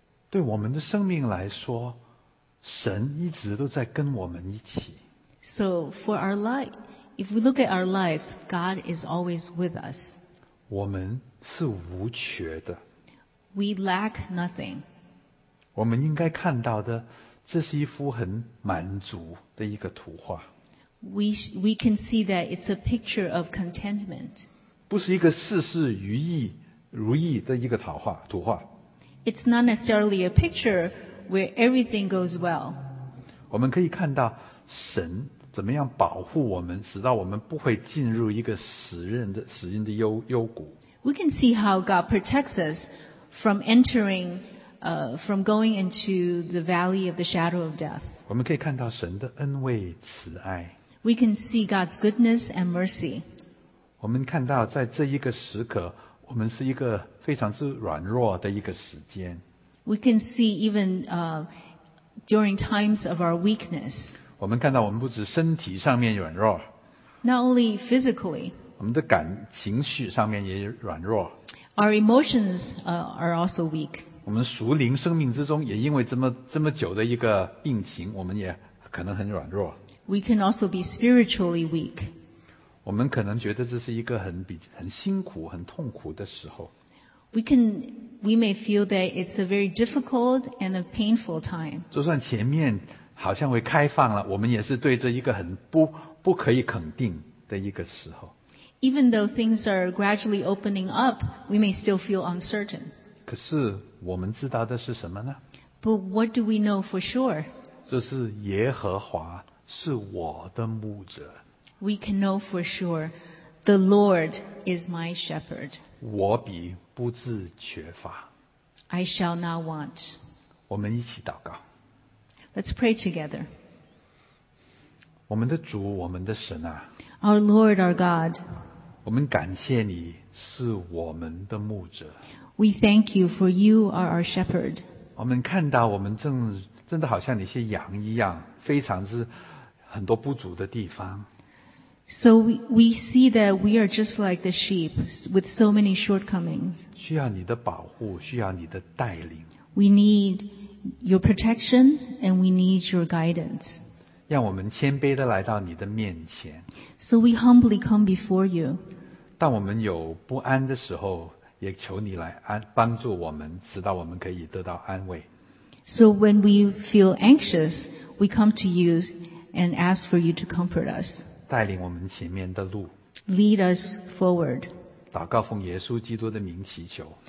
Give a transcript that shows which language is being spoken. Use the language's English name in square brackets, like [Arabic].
[Chinese] 对我们的生命来说神一直都在跟我们一起。 [English] So for our life, if we look at our lives, God is always with us. [Chinese] 我们是无缺的。 [English] We lack nothing. [Chinese] 我们应该看到的，这是一幅很满足的一个图画。 [English] We can see that it's a picture of contentment. [Chinese] 不是一个事事如意如意的一个讨话图画。 [English] It's not necessarily a picture where everything goes well. [Chinese] 我们可以看到神怎么样保护我们，使到我们不会进入一个死人的幽谷。 [English] We can see how God protects us from entering, from going into the valley of the shadow of death. [Chinese] 我们可以看到神的恩惠慈爱。 [English] We can see God's goodness and mercy. [Chinese] 我们看到在这一个时刻，我们是一个非常之软弱的一个时间。 [English] We can see even, during times of our weakness. [Chinese] 我们看到我们不止身体上面软弱。 [English] Not only physically. [Chinese] 我们的感情绪上面也软弱。 [English] Our emotions, are also weak. [Chinese] 我们属灵生命之中也因为这么久的一个病情，我们也可能很软弱。 [English] We can also be spiritually weak. [Chinese] 我们可能觉得这是一个很辛苦、很痛苦的时候。 [English] We may feel that it's a very difficult and a painful time. [Chinese] 就算前面好像会开放了，我们也是对这一个很不可以肯定的一个时候。 [English] Even though things are gradually opening up, we may still feel uncertain. [Chinese] 可是我们知道的是什么呢？ [English] But what do we know for sure? [Chinese] 这是耶和华。是我的牧者。 [English] We can know for sure, the Lord is my shepherd. [Chinese] 我必不致缺乏。 [English] I shall not want. [Chinese] 我们一起祷告。 [English] Let's pray together. [Chinese] 我们的主，我们的神啊。 [English] Our Lord, our God. [Chinese] 我们感谢你是我们的牧者。 [English] We thank you for you are our shepherd. [Chinese] 我们看到我们真的好像那些羊一样，非常之很多不足的地方。 [English] So we see that we are just like the sheep with so many shortcomings. [Chinese] 需要你的保护，需要你的带领。 [English] We need your protection and we need your guidance. [Chinese] 让我们谦卑地来到你的面前。 [English] So we humbly come before you. [Chinese] 当我们有不安的时候，也求你来帮助我们，使到我们可以得到安慰。 [English] So when we feel anxious, we come to you and ask for you to comfort us. [Chinese] 带领我们前面的路。 [English] Lead us forward. [Chinese] 祷告奉耶稣基督的名祈求。